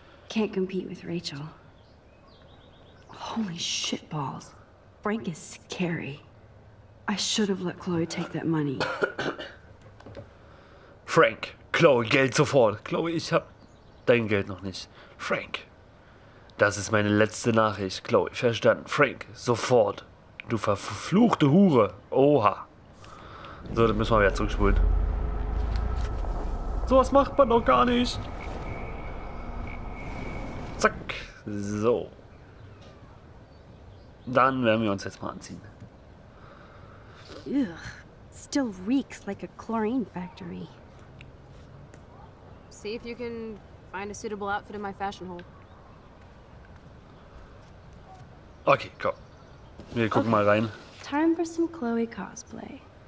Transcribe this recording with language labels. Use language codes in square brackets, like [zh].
[en] Can't compete with Rachel. Holy shitballs. Frank is scary. I should have let Chloe take that money. [de] Frank, Chloe, Geld sofort. Chloe, ich hab dein Geld noch nicht. Frank, das ist meine letzte Nachricht. Chloe, verstanden. Frank, sofort. Du verfluchte Hure. Oha. So, dann müssen wir wieder zurückspulen. Sowas macht man doch gar nicht. Zack. So. Dann werden wir uns jetzt mal anziehen. [en] Ugh, still reeks like a chlorine factory. See if you can find a suitable outfit in my fashion hole. [de] Okay, komm. Wir gucken mal rein. [en] Time for some Chloe cosplay.